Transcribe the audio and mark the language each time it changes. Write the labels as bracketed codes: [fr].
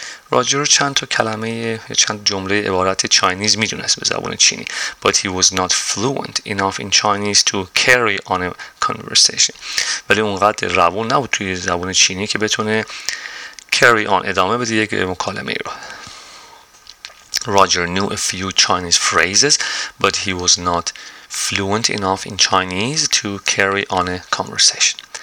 [fa] Roger چند تا کلمه یا چند جمله عبارت چینیز میدونست به زبان چینی. [en] But he was not fluent enough in Chinese to carry on a conversation. [fa] ولی اونقدر روان نبود توی زبان چینی که بتونه carry on ادامه بده یک مکالمه رو. [en] Roger knew a few Chinese phrases, but he was not fluent enough in Chinese to carry on a conversation.